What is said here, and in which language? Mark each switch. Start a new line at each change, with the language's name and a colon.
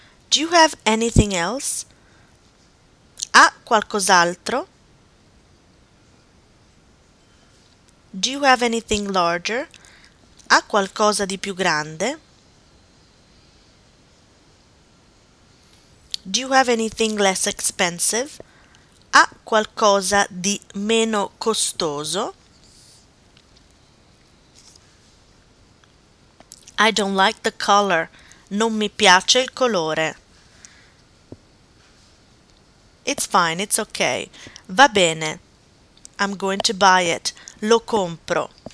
English: Do you have anything else?
Italian: Ha qualcos'altro?
English: Do you have anything larger?
Italian: Ha qualcosa di più grande?
English: Do you have anything less expensive?
Italian: Ha qualcosa di meno costoso?
English: I don't like the color.
Italian: Non mi piace il colore.
English: It's fine, it's okay.
Italian: Va bene.
English: I'm going to buy it.
Italian: Lo compro.